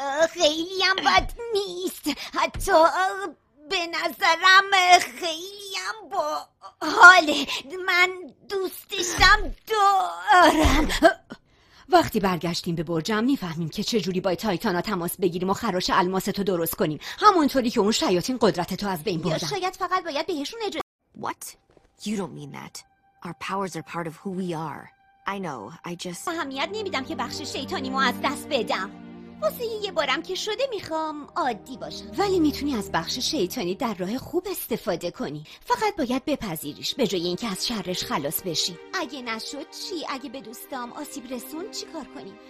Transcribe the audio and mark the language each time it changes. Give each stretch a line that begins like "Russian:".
Persian: خیلی هم بد نیست، حتی به نظرم خیلی هم با حاله، من دوستشم دارم. وقتی برگشتیم به برجم میفهمیم که چجوری با تایتانا تماس بگیریم و خراش الماستو درست کنیم، همونطوری که اون شیاطین قدرتتو از بین بردن. یا شاید فقط باید بهشون اجازه.
English: What? You don't mean that. Our powers are part of who we are. I know, I just...
Persian: اهمیت نمیدم که بخش شیطانیمو از دست بدم. واسه یه بارم که شده میخوام عادی باشم. ولی میتونی از بخش شیطانی در راه خوب استفاده کنی، فقط باید بپذیریش به جای اینکه از شرش خلاص بشی. اگه نشد چی؟ اگه به دوستام آسیب رسون چی کار کنی؟